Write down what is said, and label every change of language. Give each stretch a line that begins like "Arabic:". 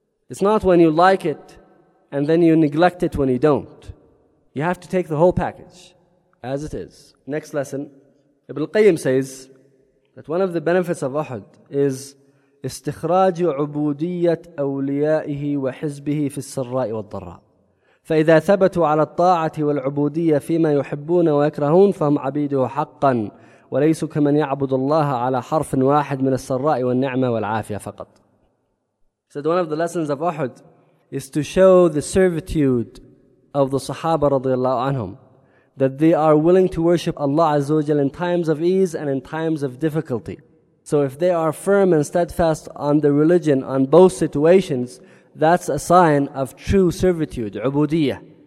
English: It's not when you like it and then you neglect it when you don't. You have to take the whole package as it is. Next lesson. Ibn Qayyim says that one of the benefits of Uhud is
Arabic: استخراج عبودية أوليائه وحزبه في السراء والضراء. فإذا ثبتوا على الطاعة والعبودية فيما يحبون ويكرهون فهم عبيده حقا وليسوا كمن يعبد الله على حرف واحد من السراء والنعمة والعافية فقط.
English: Said one of the lessons of Uhud is to show the servitude of the Sahaba radiallahu anhum, that they are willing to worship Allah Azza wa Jal in times of ease and in times of difficulty. So if they are firm and steadfast on the religion, on both situations, that's a sign of true servitude, ubudiyyah.